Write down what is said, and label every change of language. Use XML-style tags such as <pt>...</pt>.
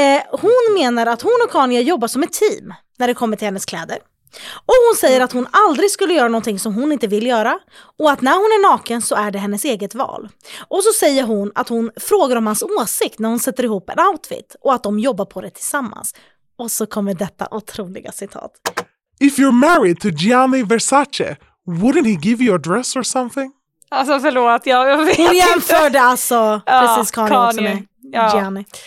<sv>Hon menar att hon och Kanye jobbar som ett team när det kommer till hennes kläder. Och hon säger att hon aldrig skulle göra någonting som hon inte vill göra. Och att när hon är naken så är det hennes eget val. Och så säger hon att hon frågar om hans åsikt när hon sätter ihop en outfit. Och att de jobbar på det tillsammans. Och så kommer detta otroliga citat.</sv> <en>If you're married to Gianni Versace, wouldn't he give you a dress or something?</en> <sv>Alltså förlåt, jag vet inte. Hon jämförde alltså precis Kanye med Gianni.</sv>